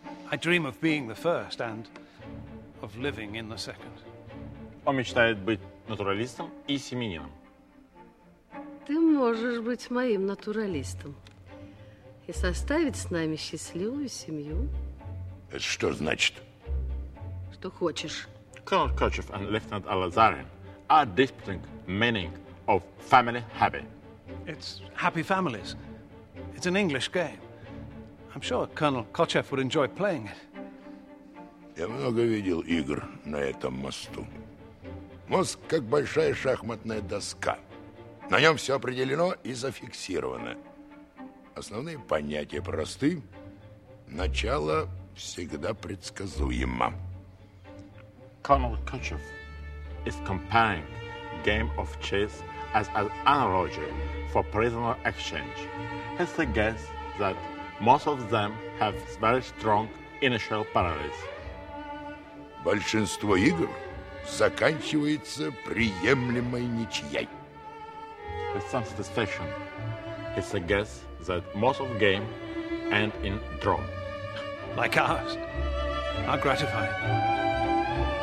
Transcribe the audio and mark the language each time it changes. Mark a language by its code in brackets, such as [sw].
[en] I dream of being the first and of living in the second. [ru] Он мечтает быть натуралистом и семьянином. Ты можешь быть моим натуралистом и составить с нами счастливую семью. Это что значит? Что хочешь. [en] Colonel Kutchev and Lieutenant Alazarin are disputing meaning of family happy. It's happy families. It's an English game. I'm sure Colonel Kutchev would enjoy playing it. [ru] Я много видел игр на этом мосту. Мост как большая шахматная доска. На нем все определено и зафиксировано. Основные понятия просты. Начало всегда предсказуемо. [en] Colonel Kutchev is comparing game of chess as an analogy for prisoner exchange. He suggests that most of them have very strong initial parallels. [ru] Большинство игр заканчивается приемлемой ничьей. [en] With some satisfaction, he suggests that most of game end in draw. Like ours. How gratifying.